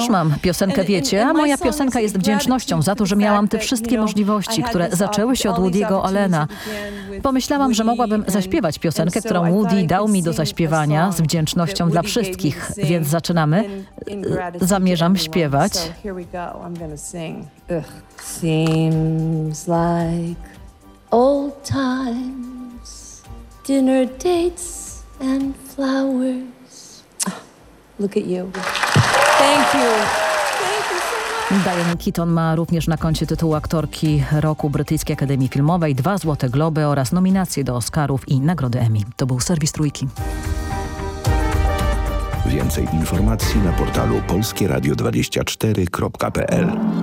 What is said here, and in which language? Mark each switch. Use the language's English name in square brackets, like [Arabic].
[Polish] Też mam piosenkę, wiecie, a moja piosenka jest wdzięcznością za to, że miałam te wszystkie możliwości, które zaczęły się od Woody'ego Allena. Pomyślałam, że mogłabym zaśpiewać piosenkę, którą Woody dał mi do zaśpiewania z wdzięcznością dla wszystkich, więc zaczynamy. Zamierzam śpiewać. [English] Seems like old times, dinner dates and flowers. Look at you. Thank you. [Polish] Diane Keaton ma również na koncie tytuł aktorki roku Brytyjskiej Akademii Filmowej, 2 Złote Globy oraz nominacje do Oscarów i Nagrody Emmy. To był Serwis Trójki. Więcej informacji na portalu polskieradio24.pl.